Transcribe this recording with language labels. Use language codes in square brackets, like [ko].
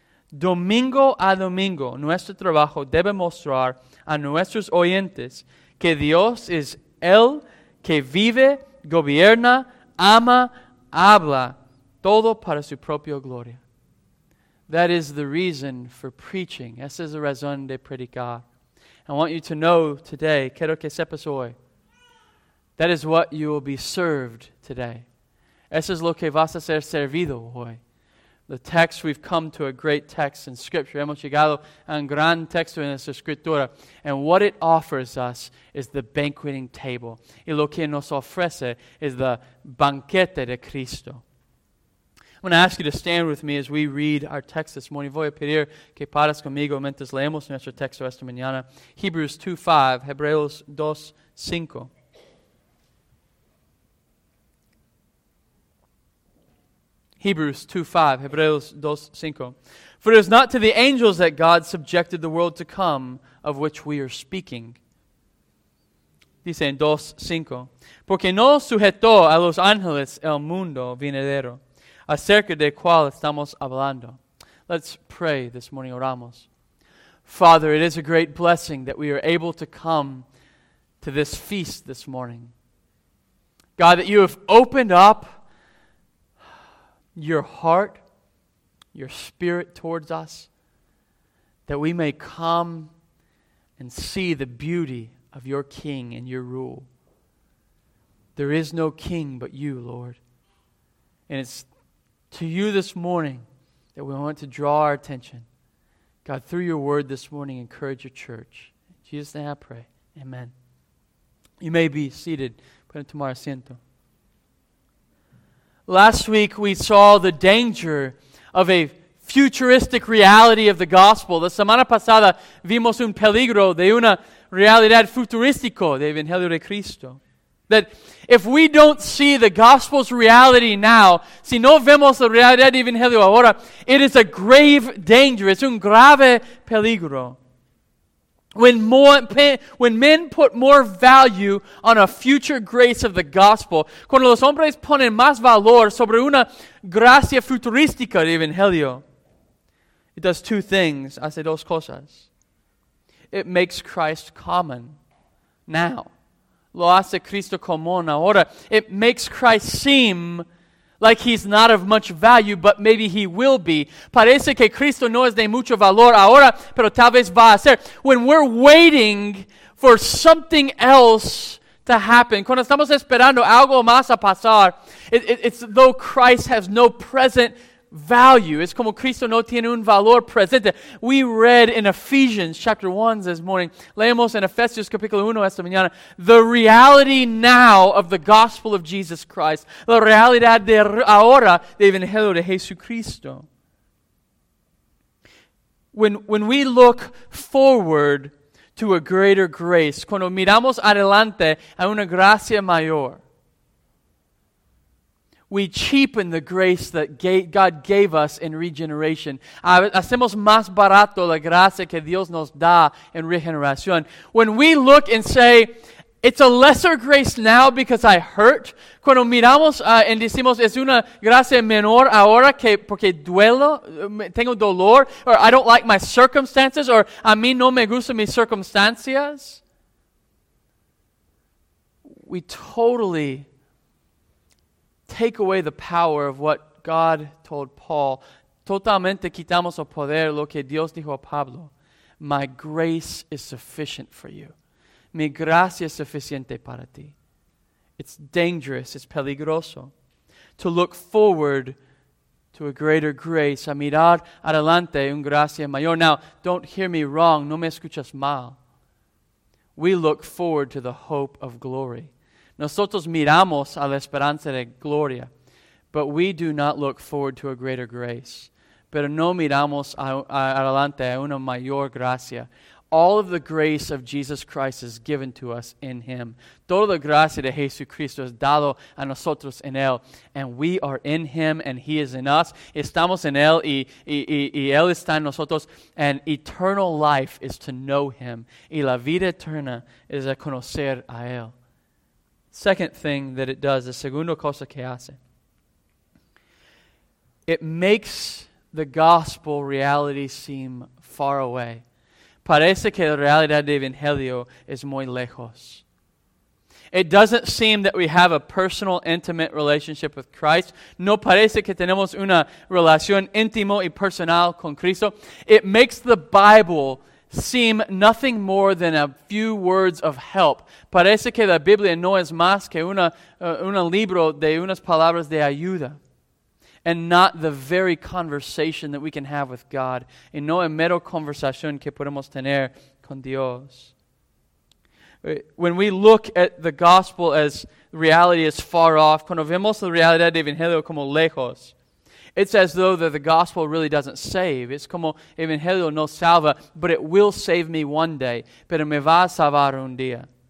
[es] Domingo a domingo, nuestro trabajo debe mostrar a nuestros oyentes que Dios es el que vive, gobierna, ama, habla, todo para su propia gloria. [en] That is the reason for preaching. [es] Esa es la razón de predicar. [en] I want you to know today, [es] quiero que sepas hoy, [en] that is what you will be served today. [es] Eso es lo que vas a ser servido hoy. [en] The text, we've come to a great text in Scripture. [es] Hemos llegado a un gran texto en nuestra Escritura. [en] And what it offers us is the banqueting table. [es] Y lo que nos ofrece [en] is the [es] banquete de Cristo. [en] I'm going to ask you to stand with me as we read our text this morning. [es] Voy a pedir que paras conmigo mientras leemos nuestro texto esta mañana. [en] Hebrews 2:5, Hebreos 2:5. Hebrews 2:5, Hebreos 2:5. For it is not to the angels that God subjected the world to come, of which we are speaking. [es] Dice en 2:5. Porque no sujetó a los ángeles el mundo venidero, acerca de cual estamos hablando. [en] Let's pray this morning, [es] oramos. [en] Father, it is a great blessing that we are able to come to this feast this morning. God, that you have opened up your heart, your spirit towards us, that we may come and see the beauty of your king and your rule. There is no king but you, Lord. And it's to you this morning that we want to draw our attention. God, through your word this morning, encourage your church. In Jesus' name I pray. Amen. You may be seated. [es] Tomar asiento. [en] Last week we saw the danger of a futuristic reality of the gospel. [es] La semana pasada vimos un peligro de una realidad futurística del Evangelio de Cristo. [en] That if we don't see the gospel's reality now, [es] si no vemos la realidad del Evangelio ahora, [en] it is a grave danger. It's [es] un grave peligro. [en] When men put more value on a future grace of the gospel, [es] cuando los hombres ponen más valor sobre una gracia futurística del Evangelio, [en] it does two things, [es] hace dos cosas. [en] It makes Christ common now. [es] Lo hace Cristo común ahora. [en] It makes Christ seem like he's not of much value, but maybe he will be. [es] Parece que Cristo no es de mucho valor ahora, pero tal vez va a ser. [en] When we're waiting for something else to happen, [es] cuando estamos esperando algo más a pasar, [en] it's though Christ has no present value. [es] Es como Cristo no tiene un valor presente. [en] We read in Ephesians chapter 1 this morning. [es] Leemos en Efesios capítulo 1 esta mañana. [en] The reality now of the gospel of Jesus Christ. [es] La realidad de ahora del Evangelio de Jesucristo. [en] When we look forward to a greater grace, [es] cuando miramos adelante a una gracia mayor, [en] we cheapen the grace that God gave us in regeneration. [es] Hacemos más barato la gracia que Dios nos da en regeneración. [en] When we look and say, it's a lesser grace now because I hurt. [es] Cuando miramos y decimos, es una gracia menor ahora que porque duelo, tengo dolor, [en] or I don't like my circumstances, [es] or a mí no me gustan mis circunstancias. [en] We totally take away the power of what God told Paul. [es] Totalmente quitamos el poder lo que Dios dijo a Pablo. [en] My grace is sufficient for you. [es] Mi gracia es suficiente para ti. [en] It's dangerous, it's [es] peligroso [en] to look forward to a greater grace, [es] a mirar adelante un gracia mayor. [en] Now, don't hear me wrong, [es] no me escuchas mal. [en] We look forward to the hope of glory. [es] Nosotros miramos a la esperanza de gloria, [en] but we do not look forward to a greater grace. [es] Pero no miramos adelante a una mayor gracia. [en] All of the grace of Jesus Christ is given to us in Him. [es] Toda la gracia de Jesucristo es dado a nosotros en Él. [en] And we are in Him and He is in us. [es] Estamos en Él y Él está en nosotros. [en] And eternal life is to know Him. [es] Y la vida eterna es a conocer a Él. [en] Second thing that it does, the [es] segunda cosa que hace, [en] it makes the gospel reality seem far away. [es] Parece que la realidad del Evangelio es muy lejos. [en] It doesn't seem that we have a personal, intimate relationship with Christ. [es] No parece que tenemos una relación íntimo y personal con Cristo. [en] It makes the Bible seem nothing more than a few words of help. [es] Parece que la Biblia no es más que un libro de unas palabras de ayuda. [en] And not the very conversation that we can have with God. [es] Y no es mero conversación que podemos tener con Dios. [en] When we look at the gospel as reality as far off, [es] cuando vemos la realidad del Evangelio como lejos, [en] it's as though that the gospel really doesn't save. It's [es] como Evangelio no salva, [en] but it will save me one day. [es] Pero me va a salvar un día.